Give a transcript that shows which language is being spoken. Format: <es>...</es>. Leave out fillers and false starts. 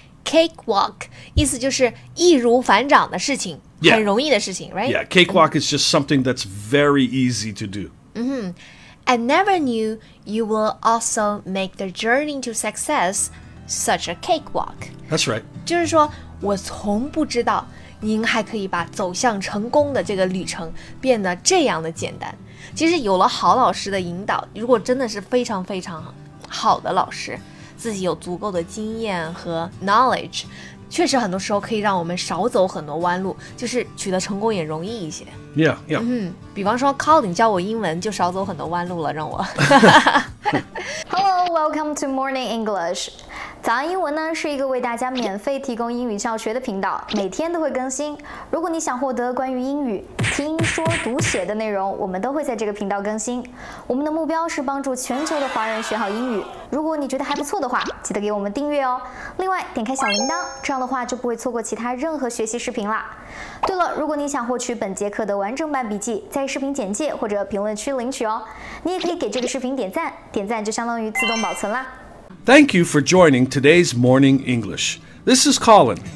<zh>Cakewalk, 意思就是易如反掌的事情、</zh> <en>yeah.</en> <zh>很容易的事情</zh> <en>right? Yeah, cakewalk is just something that's very easy to do. Mm-hmm. I never knew you will also make the journey to success such a cakewalk. That's right.</en> <zh>就是说我从不知道您还可以把走向成功的这个旅程变得这样的简单。其实有了好老师的引导，如果真的是非常非常好的老师，自己有足够的经验和 knowledge， 确实很多时候可以让我们少走很多弯路，就是取得成功也容易一些。</zh> <en>Yeah, yeah.</en> <zh>嗯，比方说 Colin 教我英文就少走很多弯路了，让我。</zh> <en>Hello, welcome to Morning English.</en> <zh>早安英文呢是一个为大家免费提供英语教学的频道，每天都会更新。如果你想获得关于英语听说读写的内容，我们都会在这个频道更新。我们的目标是帮助全球的华人学好英语。如果你觉得还不错的话，记得给我们订阅哦。另外点开小铃铛，这样的话就不会错过其他任何学习视频了。对了，如果你想获取本节课的完整版笔记，在视频简介或者评论区领取哦。你也可以给这个视频点赞，点赞就相当于自动保存啦。</zh> <en>Thank you for joining today's Morning English. This is Colin.</en>